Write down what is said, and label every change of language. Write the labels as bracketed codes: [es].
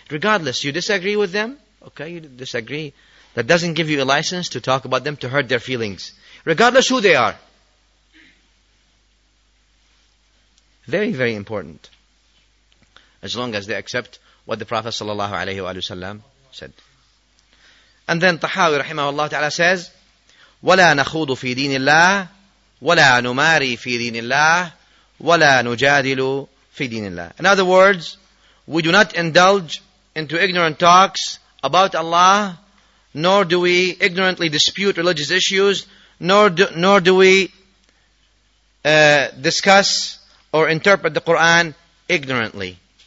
[en] Regardless, you disagree with them? Okay, you disagree. That doesn't give you a license to talk about them, to hurt their feelings. Regardless who they are. Very, very important. As long as they accept what the Prophet sallallahu alayhi wa sallam said. And then Tahawi rahimahullah ta'ala says, [ar] وَلَا نَخُوضُ فِي دِينِ اللَّهِ وَلَا نُمَارِي فِي دِينِ اللَّهِ وَلَا نُجَادِلُ فِي دِينِ اللَّهِ. [en] In other words, we do not indulge into ignorant talks about Allah, nor do we ignorantly dispute religious issues, nor do we discuss or interpret the Qur'an ignorantly.